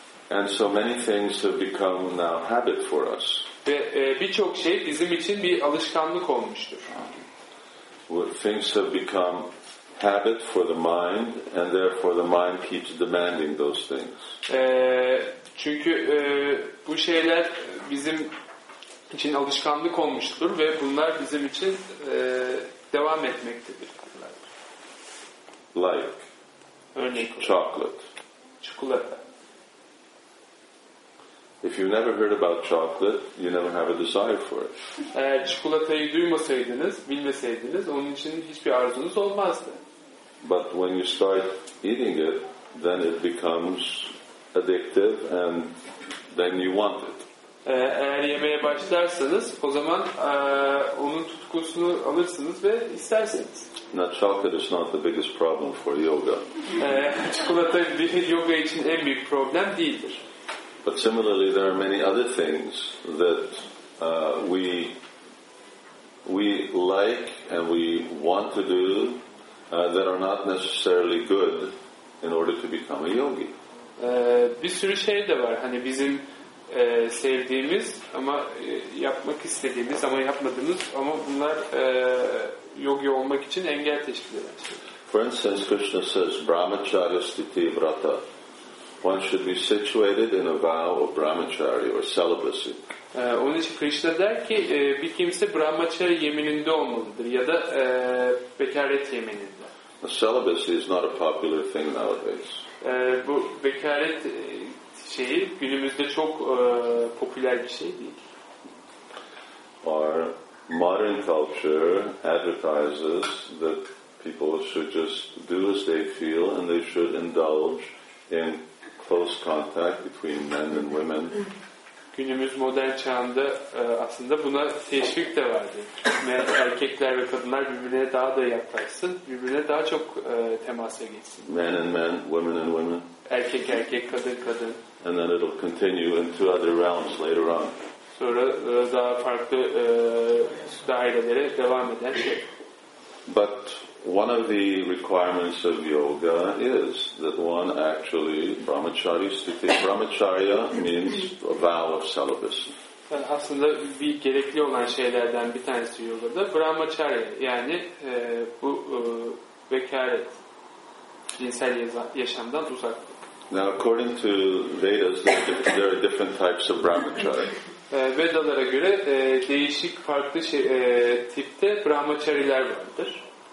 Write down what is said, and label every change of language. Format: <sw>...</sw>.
<en>And so many things have become now habit for us.</en> <tr>Ve birçok şey bizim için bir alışkanlık olmuştur.</tr> <en>Things have become habit for the mind, and therefore the mind keeps demanding those things.</en> <tr>Çünkü bu şeyler bizim için alışkanlık olmuştur ve bunlar bizim için devam etmektedir.</tr> <en>Like</en> <tr>çikolata.</tr> <en>If you never heard about chocolate, you never have a desire for it.</en> <tr>Eğer çikolatayı duymasaydınız, bilmeseydiniz, onun için hiçbir arzunuz olmazdı.</tr> <en>But when you start eating it, then it becomes addictive and then you want it.</en> <tr>Eğer yemeye başlarsanız o zaman onun tutkusunu alırsınız ve istersiniz.</tr> <en>Now chocolate is not the biggest problem for yoga.</en> <tr>Çikolata yoga için en büyük problem değildir.</tr> <en>But similarly there are many other things that we like and we want to do that are not necessarily good in order to become a yogi.</en> <tr>Bir sürü şey de var. Hani bizim sevdiğimiz ama yapmak istediğimiz ama yapmadığımız ama bunlar yogi olmak için engel teşkil eder.</tr> <en>For instance, Krishna says brahmacharya sthiti vrata. One should be situated in a vow of brahmacharya or celibacy.</en> <tr>Onun için Krishna der ki bir kimse brahmacharya yemininde olmalıdır ya da bekaret yemininde.</tr> <en>A celibacy is not a popular thing nowadays.</en> <tr>Bu bekaret şeyi günümüzde çok popüler bir şey değil.</tr> <en>Our modern culture advertises that people should just do as they feel and they should indulge in close contact between men and women.</en> <tr>Günümüz modern çağında aslında buna teşvik de vardı. Erkekler ve kadınlar birbirine daha da yaklaşsın, birbirine daha çok temasa geçsin.</tr> <en>Men and men, women and women.</en> <tr>Erkek erkek, kadın kadın.</tr> <en>And then it'll continue into other realms later on.</en> <tr>Sonra daha farklı dairelere devam eder.</tr> <en>But one of the requirements of yoga is that one actually brahmacharya sthiti. Brahmacharya means a vow of celibacy.</en> <tr>Yani aslında bir gerekli olan şeylerden bir tanesi yogada brahmacharya, yani bu bekaret, cinsel yaşamdan uzak.</tr> <en>Now according to Vedas there are different types of brahmacharya.</en> <tr>Vedalara göre değişik farklı tipte brahmacariler vardır.</tr>